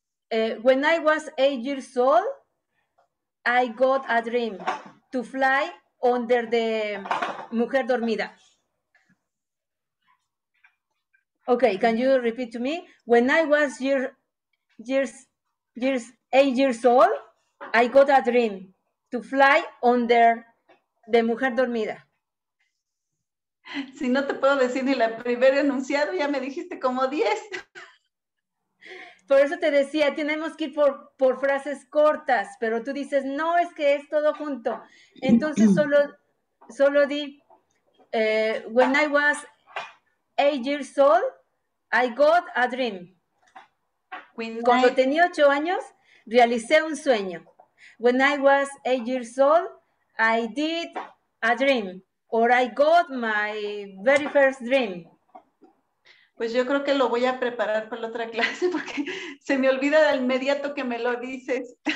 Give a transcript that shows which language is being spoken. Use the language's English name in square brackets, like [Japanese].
[English] When I was 8 years old, I got a dream to fly under the mujer dormida. Okay, can you repeat to me? When I was 8 years old, I got a dream to fly under the mujer dormida. [Spanish] Si no te puedo decir ni la primera enunciado, ya me dijiste como 10. Por eso te decía, tenemos que ir por frases cortas, pero tú dices, no, es que es todo junto. Entonces solo di, [English] when I was 8 years old, I got a dream. [Spanish] Cuando tenía 8 años, realicé un sueño. [English] When I was 8 years old, I did a dream. Or I got my very first dream. [Spanish] Pues yo creo que lo voy a preparar para la otra clase porque se me olvida de inmediato que me lo dices.